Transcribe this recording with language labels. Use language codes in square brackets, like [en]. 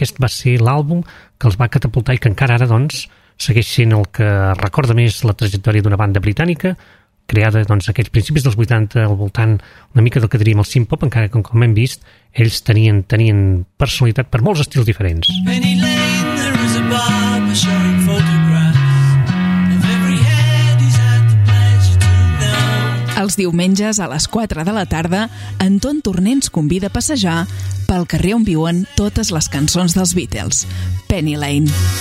[ca] Aquest va ser l'àlbum que els va catapultar i que encara ara, doncs, segueix sent el que recorda més la trajectòria d'una banda britànica, creada, doncs, aquells principis dels 80, al voltant una mica del que diríem el synth-pop, encara que, com hem vist, ells tenien personalitat per molts estils diferents. [en] Penny Lane, there is a barber showing photographs of every head he's had the pleasure to know. [ca] Els diumenges a les 4 de la tarda, Anton Torné ens convida a passejar pel carrer on viuen totes les cançons dels Beatles. Penny Lane.